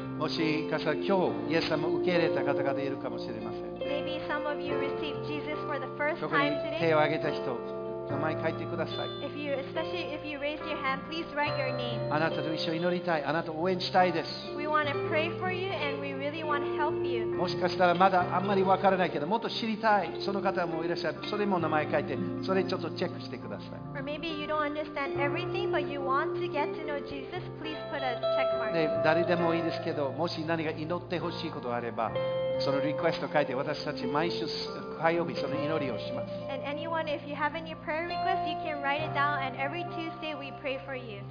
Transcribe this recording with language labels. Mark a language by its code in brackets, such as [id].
[ja] もしかしたら今日、イエス様を受け入れた方々いるかもしれません。 [en] Maybe some of you received Jesus for the first time today. [ja] 手を挙げた人。名前書いてください。 [en] If you, especially if you raise your hand, please write your name. [ja] あなたと一緒に祈りたい。あなたを応援したいです。 [en] We want to pray for you and we really want to help you. [ja] もしかしたらまだあんまり分からないけどもっと知りたい、その方もいらっしゃる。それも名前書いて、それちょっとチェックしてください。 [en] Or maybe you don't understand everything but you want to get to know Jesus, please put a check mark. [ja] で誰でもいいですけど、もし何か祈ってほしいことがあればそのリクエスト書いて、私たち毎週火曜日その祈りをします。 [en] Anyone, if you have any prayer requests, you can write it down, and every Tuesday we pray for you.